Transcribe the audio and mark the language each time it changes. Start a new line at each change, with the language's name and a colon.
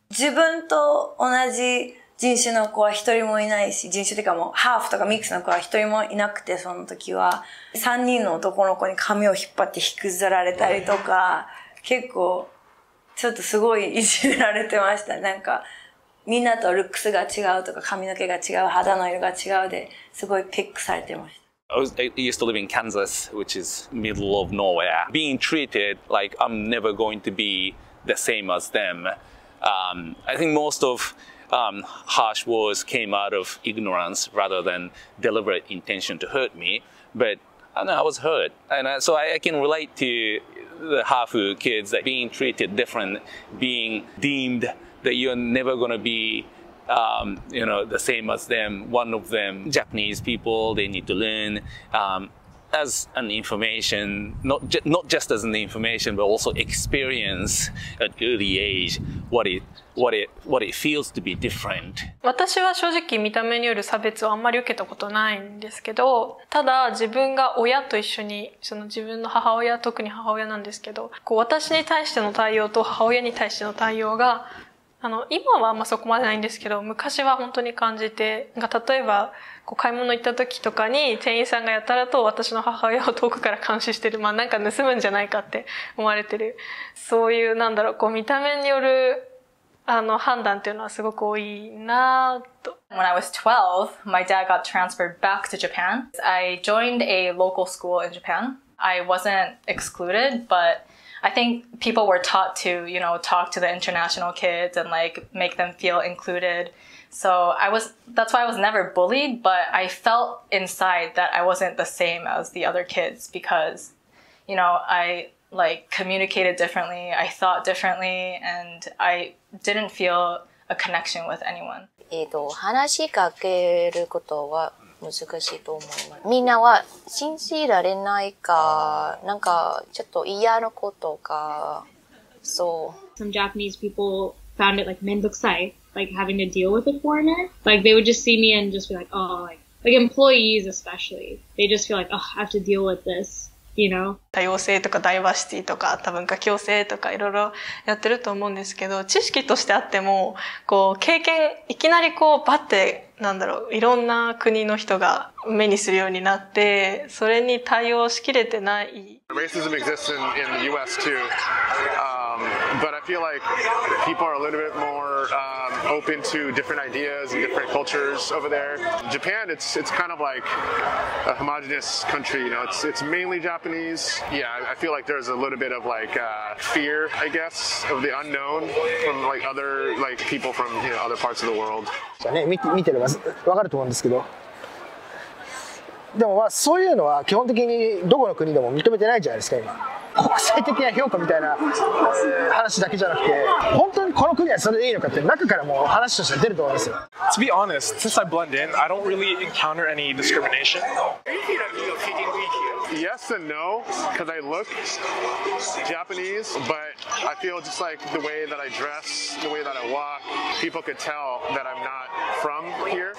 Japanese: 自分と同じ人種の子は一人もいないし、人種っていうかもう、ハーフとかミックスの子は一人もいなくて、その時は、三人の男の子に髪を引っ張って引きずられたりとか、結構、ちょっとすごいいじめられてました。なんか、みんなとルックスが違うとか、髪の毛が違う、肌の色が違うで、すごいピックされてました。
English: I used to live in Kansas, which is middle of nowhere. Being treated like I'm never going to be the same as them. I think most of, harsh words came out of ignorance rather than deliberate intention to hurt me. But I know I was hurt. And so I can relate to the Hafu kids that being treated different, being deemed that you're never going to be, you know, the same as them, one of them. Japanese people, they need to learn as an information, not just as an information, but also experience at early age what it feels to be different.
Japanese: 私は正直見た目による差別をあんまり受けたことないんですけど、ただ自分が親と一緒に、その自分の母親、特に母親なんですけど、こう私に対しての対応と母親に対しての対応が、今はあんまそこまでないんですけど、昔は本当に感じて、例えば、こう買い物行った時とかに店員さんがやたらと私の母親を遠くから監視してる。まあなんか盗むんじゃないかって思われてる。そういう、なんだろう、こう見た目による判断っていうのはすごく多いなと。
English: When I was 12, my dad got transferred back to Japan. I joined a local school in Japan. I wasn't excluded, but I think people were taught to, you know, talk to the international kids and like make them feel included. So that's why I was never bullied, but I felt inside that I wasn't the same as the other kids because, you know, I like communicated differently, I thought differently, and I didn't feel a connection with anyone.
Japanese: 話しかけることは難しいと思います。みんなは信じられないか、なんかちょっと嫌なことか、そう。
English: Some Japanese people found it like menbukusai, like having to deal with a foreigner. Like they would just see me and just be like, oh, like employees especially. They just feel like, oh, I have to deal with this, you know?
Japanese: 多様性とかダイバーシティとか多文化共生とかいろいろやってると思うんですけど、知識としてあっても、こう経験、いきなりこうバッて、なんだろう、いろんな国の人が目にするようになって、それに対応しきれてない。
English: Racism exists in the US too. But I feel like people are a little bit more, open to different ideas and different cultures over there. Japan, it's kind of like a homogenous country, you know, it's mainly Japanese. Yeah, I feel like there's a little bit of like, fear, I guess, of the unknown from like other, like people from, you know, other parts of the world.
Japanese: でもまあそういうのは基本的にどこの国でも認めてないじゃないですか今国際的な評価みたいな話だけじゃなくて本当にこの国はそれでいいのかって中からもう話として出ると思うんですよ
English: To be honest, since I blend in, I don't really encounter any discrimination Yes and no, because I look Japanese, but I feel just like the way that I dress, the way that I walk, people could tell that I'm not from here.